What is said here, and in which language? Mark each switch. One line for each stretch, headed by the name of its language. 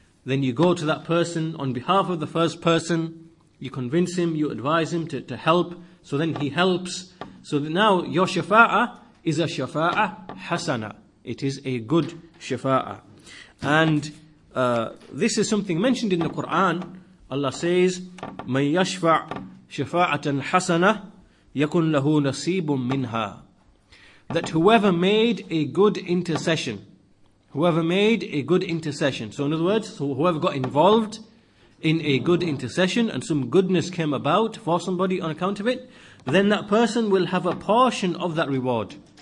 English: Then you go to that person on behalf of the first person. You convince him, you advise him to help. So then he helps. So now your shafa'a is a shafa'a hasana. It is a good shafa'a. And this is something mentioned in the Quran. Allah says,
Arabic: "من يشفع شفاعة حسنة يكون له نصيب منها."
English: That whoever made a good intercession, whoever made a good intercession. So in other words, so whoever got involved in a good intercession and some goodness came about for somebody on account of it, then that person will have a portion of that reward.